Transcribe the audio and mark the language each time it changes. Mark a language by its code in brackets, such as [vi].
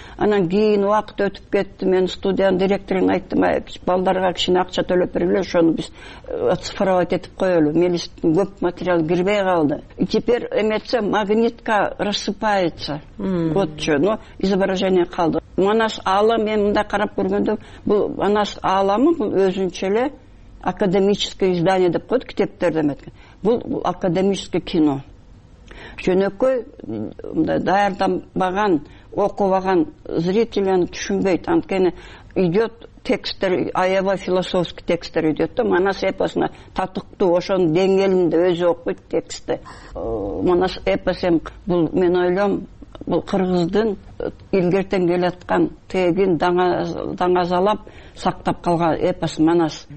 [ky] Анан кийин убакыт өтүп кетти, мен студиянын директорун айттым, балдарга кичине акча төлөп бергиле, ошону биз цифровать этип коелу. Мелистин көп материал кирбей калды. [ru] И теперь [ky] эметсе [ru] магнитка рассыпается. Вот что, но изображение калды. [ky] Манас Аала мен мындай карап көргөндө, бул Манас Ааламы бул өзүнчө эле [ru] академическое издание [ky] деп коет китептерден айткан. Бул академическое кино. Жөнөкөй мындай даярданбаган, окубаган зрителин түшүнбөйт. Анткени идет тексттер, аябай философский тексттер идет да, Манас эпосуна татыктуу ошонун деңгээлинде өзү окуйт текстти. Манас эпос эми бул мен ойлом бул кыргыздын илгертен келаткан тегин даңазалап сактап калган эпос Манас.